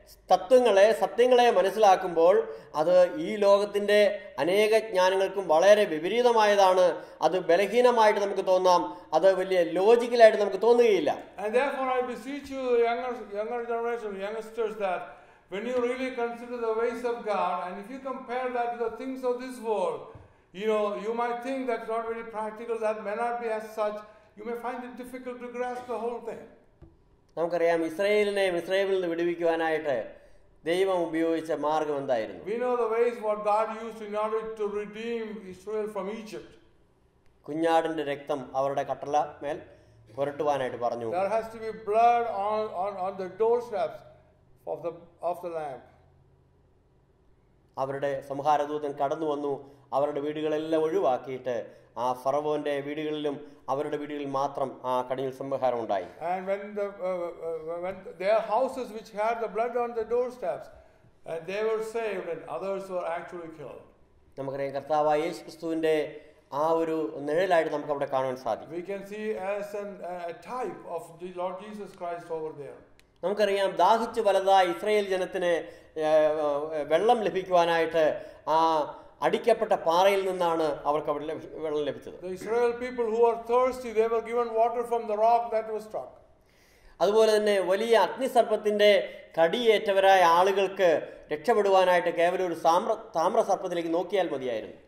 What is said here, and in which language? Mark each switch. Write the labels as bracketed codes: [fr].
[ml] തത്വങ്ങളെ സത്യങ്ങളെ മനസ്സിലാക്കുമ്പോൾ അത് ഈ ലോകത്തിന്റെ അനേക ജ്ഞാനങ്ങൾക്കും വളരെ വിപരീതമായതാണ് അത് ബലഹീനമായിട്ട് നമുക്ക് തോന്നാം അത് വലിയ ലോജിക്കലായിട്ട് നമുക്ക് തോന്നുകയില്ല നമുക്കറിയാം ഇസ്രായേലിനെ ഇസ്രായേലിൽ നിന്ന് വിടുവിക്കുവാനായിട്ട് ദൈവം ഉപയോഗിച്ച മാർഗം എന്തായിരുന്നു [en] We know the ways what God used in order to redeem Israel from Egypt. [ml] കുഞ്ഞാടിന്റെ രക്തം അവരുടെ കട്ടിലമേൽ പുരട്ടുവാനായിട്ട് പറഞ്ഞു [en] There has to be blood on the doorsteps of the lamb. [ml] അവരുടെ സംഹാരദൂതൻ കടന്നു വന്നു അവരുടെ വീടുകളെല്ലാം ഒഴിവാക്കിയിട്ട് ആ ഫറവോന്റെ വീടുകളിലും അവരുടെ വീടുകളിൽ മാത്രം ആ കടിഞ്ഞൽ സംഹാരം ഉണ്ടായി [en] and when the when their houses which had the blood on the doorsteps they were saved and others were actually killed [ml] നമുക്കറിയാം കർത്താവായ യേശുക്രിസ്തുവിന്റെ ആ ഒരു നിഴലായിട്ട് നമുക്ക് അവിടെ കാണാൻ സാധിക്കും [en] we can see as a type of the Lord Jesus Christ over there [ml] നമുക്കറിയാം ദാഹിച്ചു വലതായ ഇസ്രായേൽ ജനത്തിന് വെള്ളം ലഭിക്കുവാനായിട്ട് ആ അടിക്കപ്പെട്ട പാറയിൽ നിന്നാണ് അവർക്ക് അവിടെ വെള്ളം ലഭിച്ചത് [en] The Israel people who are thirsty they were given water from the rock that was struck [ml] അതുപോലെ തന്നെ വലിയ അഗ്നിസർപ്പത്തിന്റെ കടിയേറ്റവരായ ആളുകൾക്ക് രക്ഷപ്പെടുവാനായിട്ട് കേവലം ഒരു താമ്രസർപ്പത്തിലേക്ക് നോക്കിയാൽ മതിയായിരുന്നു